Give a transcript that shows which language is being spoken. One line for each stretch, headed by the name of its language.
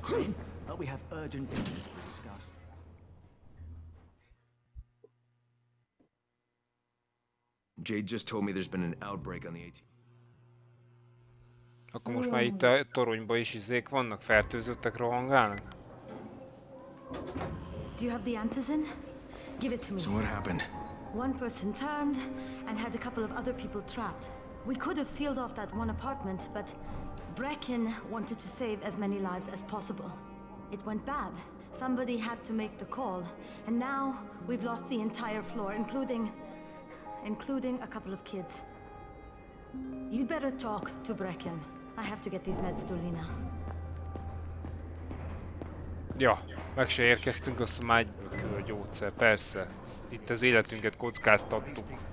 English: Crane, but we have urgent business to discuss. Jade just told me there's been an outbreak on the 18th.
Hungarian: Akkor most már itt a toronyban is izék vannak, fertőzöttek, rohangálnak?
English: Do you have the antizin? Give it to me. So what happened? One person turned and had a couple of other people trapped. We could have sealed off that one apartment, but Brecken wanted to save as many lives as possible. It went bad. Somebody had to make the call, and now we've lost the entire floor, including a couple of kids. You'd better talk to Brecken. I have to get these meds to Lena.
Hungarian: Ja, meg se érkeztünk, azt mondom, egyből kül a gyógyszer, persze. Itt az életünket kockáztattuk.